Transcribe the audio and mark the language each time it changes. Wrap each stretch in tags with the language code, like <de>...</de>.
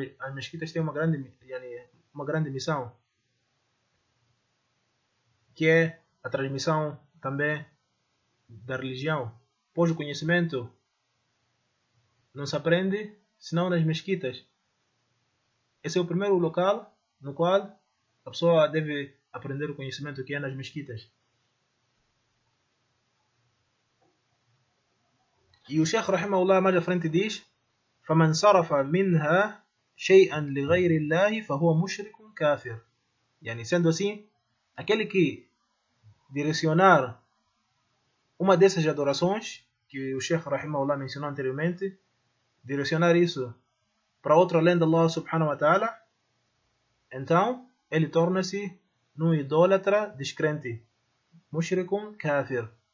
<pt>As mesquitas têm uma grande missão, que é a transmissão também da religião. Pois o conhecimento não se aprende senão nas mesquitas. Esse é o primeiro local no qual a pessoa deve aprender o conhecimento, que é nas mesquitas. E o Sheikh Rahimahullah mais à frente diz:</pt> <ar>فَمَنْ صَرَفَ مِنْهَا شَيْئًا لِغَيْرِ اللَّهِ فَهُوَ مُشْرِكٌ كَافِرٌ.</ar> <pt>Yani, sendo assim, aquele que direcionar uma dessas adorações que o Sheikh Rahimahullah mencionou anteriormente, direcionar isso para outro além de Allah subhanahu wa ta'ala, então ele torna-se num idólatra descrente,</pt> <ar>mushrikum kafir.</ar>